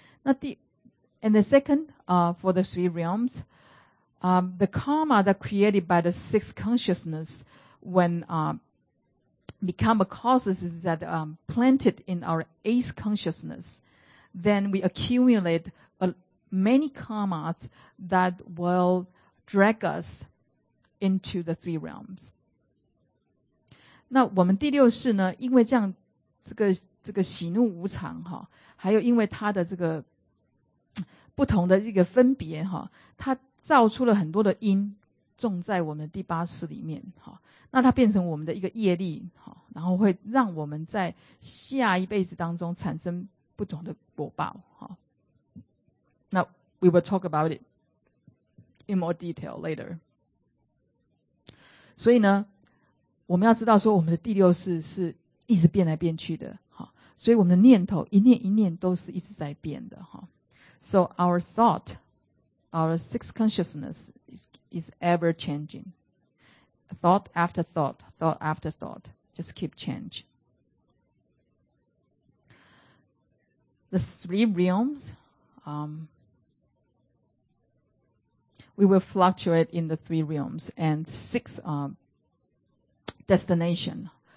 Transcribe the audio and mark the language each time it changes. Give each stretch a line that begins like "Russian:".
English: And the second, for the three realms, the karma that created by the six consciousness when, become a causes is that, planted in our eighth consciousness, then we accumulate many karmas that will drag us into the three realms.
Chinese: 那我们第六识呢，因为这样这个喜怒无常哈，还有因为它的这个不同的这个分别哈，它造出了很多的因种在我们的第八识里面哈，那它变成我们的一个业力哈，然后会让我们在下一辈子当中产生不同的果报哈。
English: 那 we will talk about it in more detail later。
Chinese: 所以呢，我们要知道说我们的第六识是一直变来变去的，所以我们的念头一念一念都是一直在变的。
English: So our thought, our sixth consciousness is ever changing. Thought after thought, thought after thought, just keep change. The three realms, we will fluctuate in the three realms and six, destination.